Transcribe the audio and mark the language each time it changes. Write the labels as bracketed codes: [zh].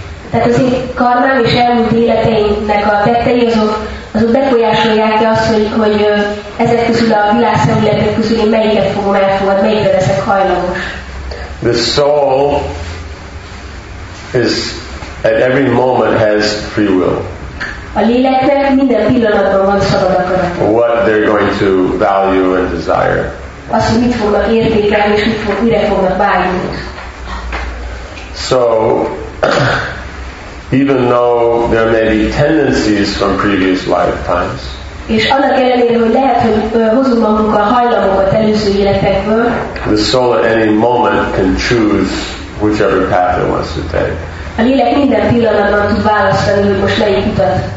[hu] Tehát az én karmám és elmúlt életeimnek a tettei azok befolyásolják-e azt, hogy ezek közül a világszemületek közül én melyiket fogom elfogadni, melyikre leszek hajlamos? [en] The soul is at every moment has free will. [hu] A léleknek minden pillanatban van szabad akarata. [en] What they're going to value and desire. [hu] Azt, hogy mit fognak értékelni, és mire fognak vágyni. [en] So, even though there may be tendencies from previous lifetimes. [hu] És annak ellenére, hogy lehet, hogy hozunk magunkkal hajlamokat előző életekből. [en] The soul at any moment can choose whichever path it wants to take. [hu] A lélek minden pillanatban tud választani, hogy most melyik utat.